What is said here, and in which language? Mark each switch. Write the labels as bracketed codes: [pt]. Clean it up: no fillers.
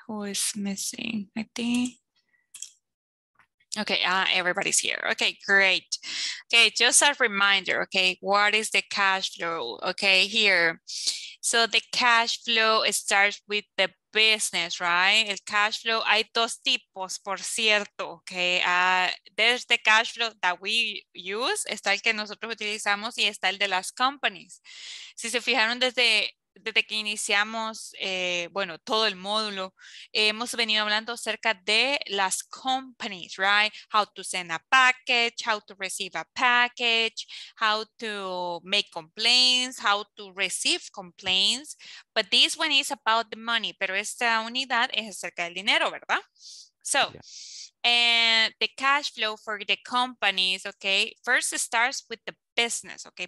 [en] Who is missing? I think. Okay, everybody's here. Okay, great. Okay, just a reminder, okay, what is the cash flow? Okay, here. So the cash flow starts with the business, right? [es] El cash flow, hay dos tipos, por cierto, okay. [en] There's the cash flow that we use, [es] está el que nosotros utilizamos y está el de las companies. Si se fijaron desde que iniciamos, bueno, todo el módulo, hemos venido hablando acerca de las companies, right? [en] How to send a package, how to receive a package, how to make complaints, how to receive complaints. But this one is about the money, [es] pero esta unidad es acerca del dinero, ¿verdad? [en] So, and the cash flow for the companies, okay, first starts with the business, okay?